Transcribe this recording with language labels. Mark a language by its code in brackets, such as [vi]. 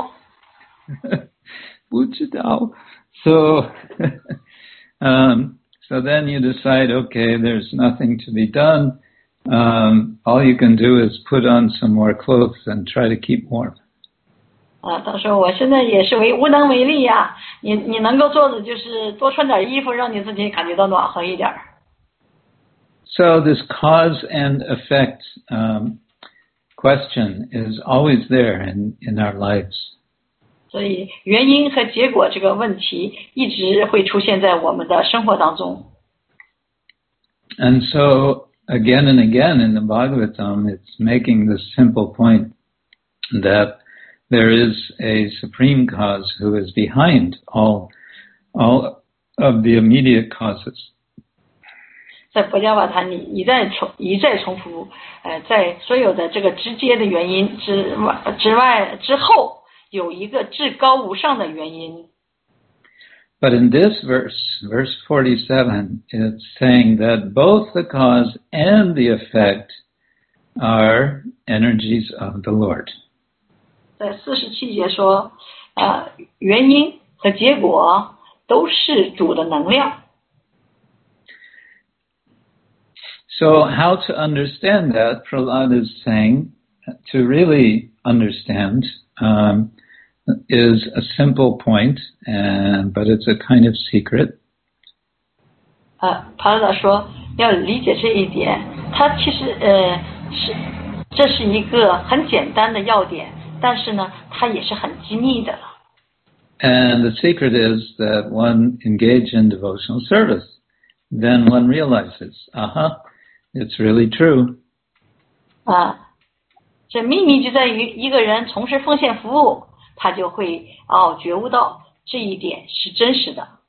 [zh] 哦。不知道。 [en] So, so then you decide, okay, there's nothing to be done. All you can do is put on some more clothes and try to keep warm. [zh] 他说我现在也是无能为力呀，你能够做的就是多穿点衣服，让你自己感觉到暖和一点。 [en] So this cause and effect, question is always there in our lives. [zh] 所以原因和结果这个问题一直会出现在我们的生活当中。 [en] And so again and again in the Bhagavatam, it's making this simple point that there is a supreme cause who is behind all of the immediate causes. [zh] 在佛家瓦坛里一再重复在所有的这个直接的原因之外之后有一个至高无上的原因。 [en] But in this verse, verse 47, it's saying that both the cause and the effect are energies of the Lord. [zh] 在47节说，原因和结果都是主的能量。 [en] So how to understand that? Prahlad is saying, to really understand, is a simple point, but it's a kind of secret. [zh] Prahlad 说要理解这一点，它其实是这是一个很简单的要点，但是呢，它也是很机密的。 [en] And the secret is that one engages in devotional service, then one realizes, it's really true. [zh] 这秘密就在于一个人从事奉献服务，他就会觉悟到这一点是真实的。